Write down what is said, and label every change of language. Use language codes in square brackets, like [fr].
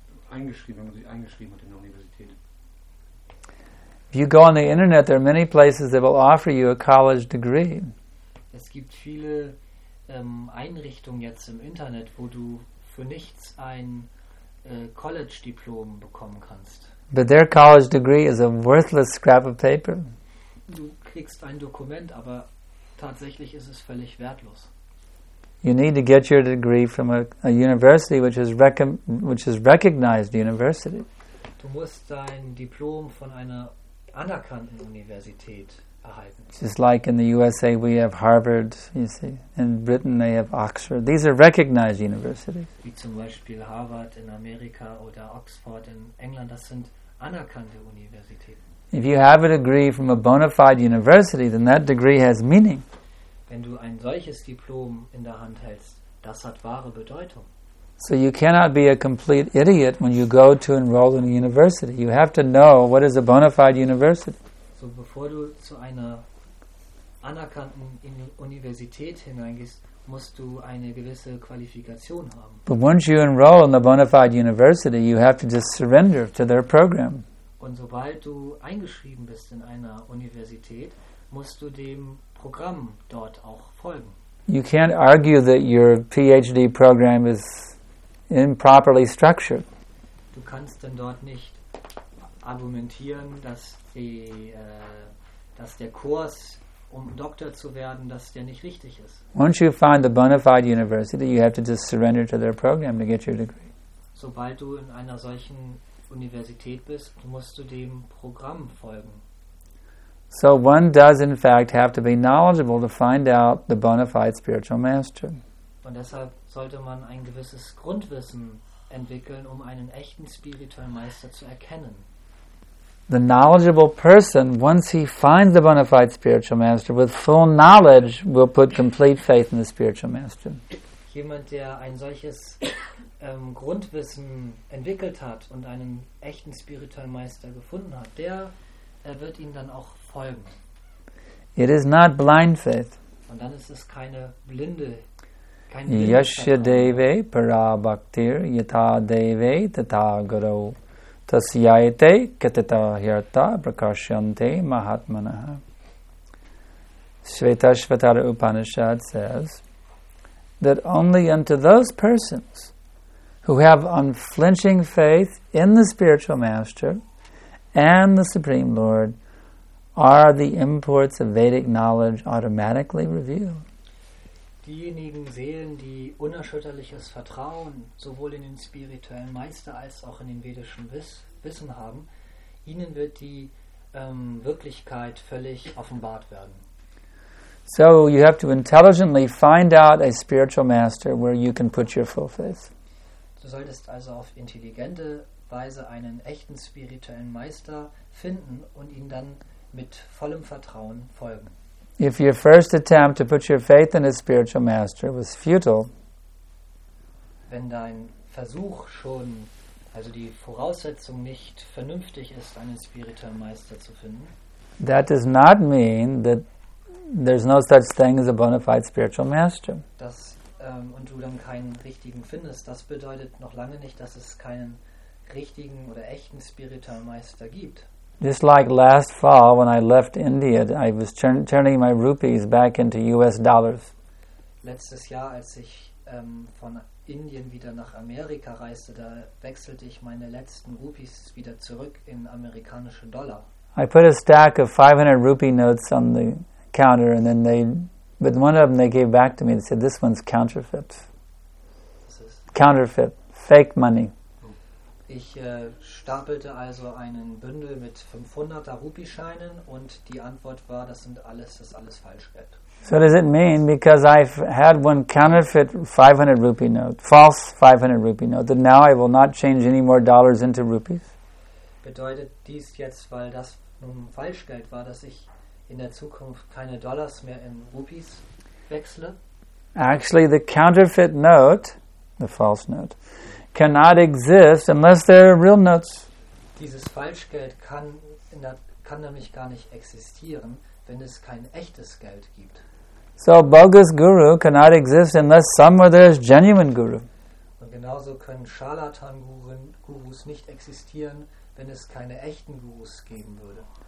[de] Eingeschrieben, wenn man sich eingeschrieben hat in der Universität. [en] If you go on the internet, there are many places that will offer you a college degree. [de] Es gibt viele Einrichtungen jetzt im Internet, wo du für nichts ein College-Diplom bekommen kannst. [en] But their college degree is a worthless scrap of paper. [de] Du kriegst ein Dokument, aber tatsächlich ist es völlig wertlos. [en] You need to get your degree from a university which is recognized university. [de] Du musst dein Diplom von einer anerkannten Universität erhalten. [en] Just like in the USA we have Harvard, you see. In Britain they have Oxford. These are recognized universities. [de] Wie zum Beispiel Harvard in Amerika oder Oxford in England, das sind anerkannte Universitäten. [en] If you have a degree from a bona fide university, then that degree has meaning. [de] Wenn du ein solches Diplom in der Hand hältst, das hat wahre Bedeutung. [en] So you cannot be a complete idiot when you go to enroll in a university. You have to know what is a bona fide university. [de] So bevor du zu einer anerkannten Universität hineingehst, musst du eine gewisse Qualifikation haben. [en] But once you enroll in a bona fide university, you have to just surrender to their program. [de] Und sobald du eingeschrieben bist in einer Universität, musst du dem Programm dort auch folgen. [en] You can't argue that your PhD program is improperly structured. [de] Du kannst denn dort nicht argumentieren, dass der Kurs, um Doktor zu werden, dass der nicht richtig ist. [en] Once you find the bona fide university, you have to just surrender to their program to get your degree. [de] Sobald du in einer solchen Universität bist, musst du dem Programm folgen. [en] So one does in fact have to be knowledgeable to find out the bona fide spiritual master. [de] Und deshalb sollte man ein gewisses Grundwissen entwickeln, um einen echten spirituellen Meister zu erkennen. [en] The knowledgeable person, once he finds the bona fide spiritual master, with full knowledge, will put complete faith in the spiritual master. [de] Jemand, der ein solches Grundwissen entwickelt hat und einen echten spirituellen Meister gefunden hat, der wird ihm dann auch folgen. [en] It is not blind faith. [de] Und dann ist es keine blinde [sa] Yashya Deve Para Bhaktir Yata Deve Tata Guru Tasyayate Katita Hirta Prakashyante Mahatmanaha. [en] Shvetashvatara Upanishad says that only unto those persons who have unflinching faith in the spiritual master and the Supreme Lord are the imports of Vedic knowledge automatically revealed. [de] Diejenigen Seelen, die unerschütterliches Vertrauen sowohl in den spirituellen Meister als auch in den vedischen Wissen haben, ihnen wird die Wirklichkeit völlig offenbart werden. [en] So you have to intelligently find out a spiritual master where you can put your full faith. [de] Du solltest also auf intelligente Weise einen echten spirituellen Meister finden und ihm dann mit vollem Vertrauen folgen. [en] If your first attempt to put your faith in a spiritual master was futile, [de] wenn dein Versuch schon, also die Voraussetzung nicht vernünftig ist, einen spirituellen Meister zu finden, [en] that does not mean that there's no such thing as a bona fide spiritual master. [de] Das und du dann keinen richtigen findest, das bedeutet noch lange nicht, dass es keinen richtigen oder echten spirituellen Meister gibt. [en] Just like last fall when I left India, I was turning my rupees back into US dollars. [de] Letztes Jahr, als ich von Indien wieder nach Amerika reiste, da wechselte ich meine letzten Rupees wieder zurück in amerikanische Dollar. [en] I put a stack of 500 rupee notes on the counter and then but one of them they gave back to me and said, this one's counterfeit. This is counterfeit, fake money. [de] Ich stapelte also einen Bündel mit 500er Rupiescheinen und die Antwort war, das ist alles Falschgeld. [en] So does it mean, because I've had one counterfeit 500 rupee note, false 500 rupee note, that now I will not change any more dollars into rupees? [de] Bedeutet dies jetzt, weil das Falschgeld war, dass ich in der Zukunft keine Dollars mehr in Rupees wechsle. [en] Actually, the counterfeit note, the false note, cannot exist unless there are real notes. [de] Dieses Falschgeld kann nämlich gar nicht existieren, wenn es kein echtes Geld gibt. [en] So a bogus guru cannot exist unless somewhere there is genuine guru. [de] Und genauso können Scharlatan-Gurus nicht existieren, wenn es keine echten Gurus geben würde.